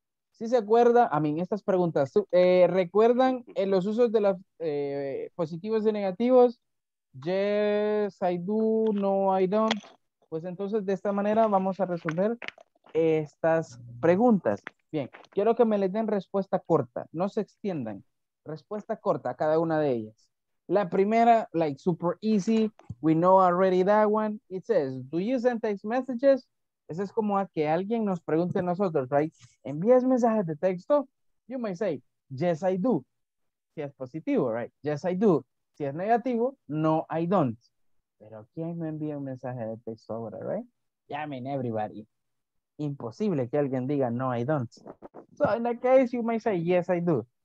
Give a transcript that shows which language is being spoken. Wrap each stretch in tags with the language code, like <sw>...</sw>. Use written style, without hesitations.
<es>Si se acuerda, a mí, estas preguntas, ¿recuerdan los usos de los positivos y negativos?</es> <en>Yes, I do, no, I don't.</en> <es>Pues entonces, de esta manera vamos a resolver estas preguntas. Bien, quiero que me les den respuesta corta, no se extiendan. Respuesta corta a cada una de ellas. La primera,</es> <en>like super easy, we know already that one. It says, do you send text messages?</en> <es>Eso es como a que alguien nos pregunte a nosotros, right? ¿Envías mensajes de texto?</es> <en>You may say, yes, I do.</en> <es>Si es positivo, right?</es> <en>Yes, I do.</en> <es>Si es negativo,</es> <en>no, I don't.</en> <es>Pero ¿quién me envía un mensaje de texto ahora,</es> <en>right? Yeah, I mean, everybody.</en> <es>Imposible que alguien diga,</es> <en>no, I don't. So in that case, you may say, yes, I do.</en>